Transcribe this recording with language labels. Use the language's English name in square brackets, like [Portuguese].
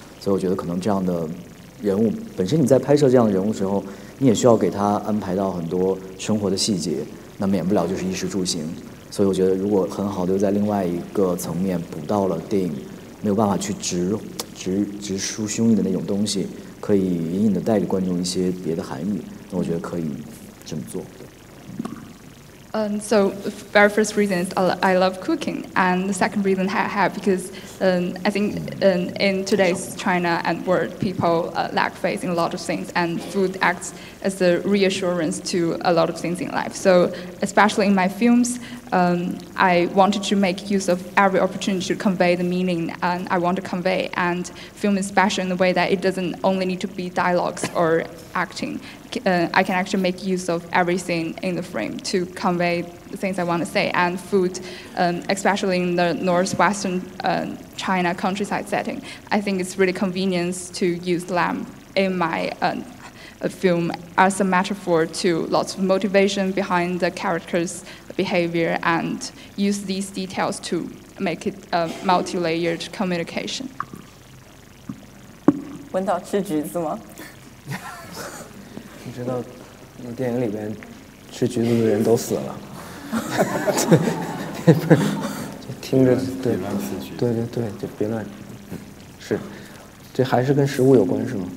[Chinese] 所以我觉得可能这样的人物本身，你在拍摄这样的人物的时候，你也需要给他安排到很多生活的细节，那免不了就是衣食住行。所以我觉得如果很好的又在另外一个层面补到了电影没有办法去直抒胸臆的那种东西，可以隐隐的带给观众一些别的含义，那我觉得可以这么做。 [English] So very first reason is I love cooking, and the second reason I have because I think in today's China and world, people lack faith in a lot of things, and food acts as a reassurance to a lot of things in life. So especially in my films, I wanted to make use of every opportunity to convey the meaning and I want to convey, and film is special in the way that it doesn't only need to be dialogues or acting. I can actually make use of everything in the frame to convey the things I want to say, and food, especially in the northwestern China countryside setting, I think it's really convenient to use lamb in my film as a metaphor to lots of motivation behind the character's behavior and use these details to make it a multi-layered communication. [Chinese] 文导吃橘子吗？你知道，那电影里边吃橘子的人都死了。不是，听着对，对对对，就别乱。是，这还是跟食物有关是吗